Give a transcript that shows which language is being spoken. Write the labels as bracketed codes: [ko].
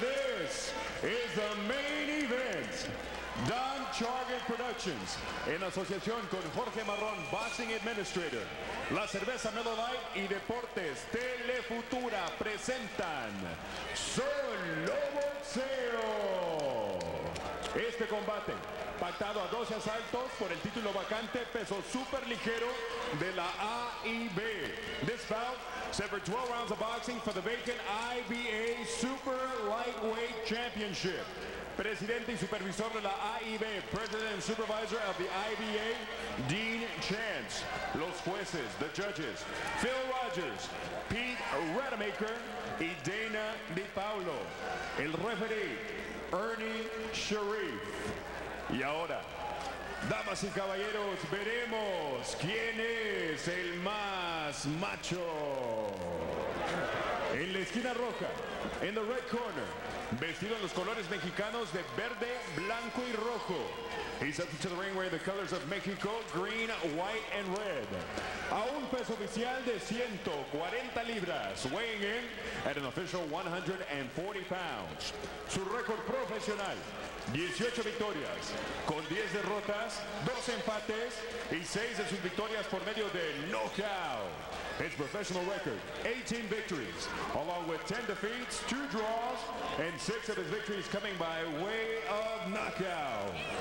[en] This is the main event. [es] Don Chargan Productions, en asociación con Jorge Marrón, Boxing Administrator, la cerveza Miller Lite y Deportes Telefutura presentan Solo Boxeo. Este combate, pactado a 12 asaltos por el título vacante peso super ligero de la AIB. [en] This bout severed 12 rounds of boxing for the vacant IBA Super Lightweight Championship. [es] Presidente y supervisor de la AIB, [en] President and Supervisor of the IBA, [es] Dean Chance. Los jueces, [en] the judges, [es] Phil Rogers, Pete Rademacher y Dana DiPaolo. El referee, Ernie Sharif. Y ahora, damas y caballeros, veremos quién es el más macho. En la esquina roja, [en] in the red corner, [es] vestido en los colores mexicanos de verde, blanco y rojo. [en] He's up to the ring wearing the colors of Mexico, green, white, and red. [es] A un peso oficial de 140 libras, [en] weighing in at an official 140 pounds. [es] Su récord profesional, 18 victorias, con 10 derrotas, 2 empates, y 6 de sus victorias por medio de knockout. [en] His professional record, 18 victories, along with 10 defeats, 2 draws, and 6 of his victories coming by way of knockout.